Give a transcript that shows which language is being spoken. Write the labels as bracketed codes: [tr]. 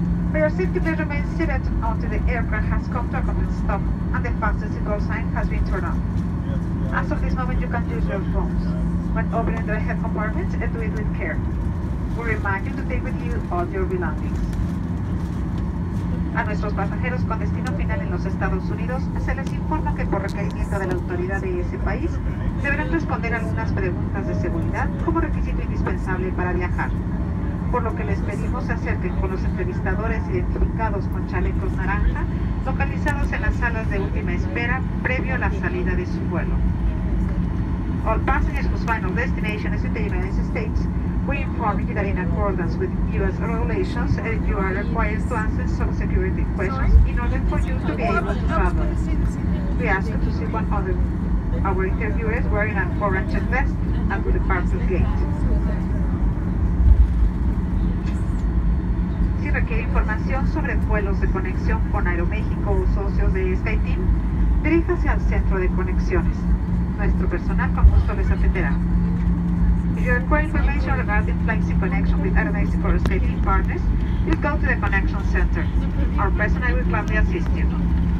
[en] For your safety measurements, seated until the aircraft has come to a complete stop and the fastest seatbelt sign has been turned on. As of this moment, you can use your phones. When opening the overhead compartments, do it with care. We remind you to take with you all your belongings. [es] A nuestros pasajeros con destino final en los Estados Unidos, se les informa que por requerimiento de la autoridad de ese país, deberán responder algunas preguntas de seguridad como requisito indispensable para viajar. Por lo que les pedimos se acerquen con los entrevistadores identificados con chalecos naranja, localizados en las salas de última espera, previo a la salida de su vuelo. [en] All passengers whose final destination is in the United States, we inform you that in accordance with U.S. regulations, you are required to answer some security questions in order for you to be able to travel. We ask you to see one other. Our interviewers wearing an orange vest at the departure gate. [es] Si requiere información sobre vuelos de conexión con AeroMexico o socios de SkyTeam, diríjase al centro de conexiones. Nuestro personal con gusto les atenderá. [en] If you require information regarding flights in connection with AeroMexico or SkyTeam partners, you go to the connection center. Our personnel will gladly assist you.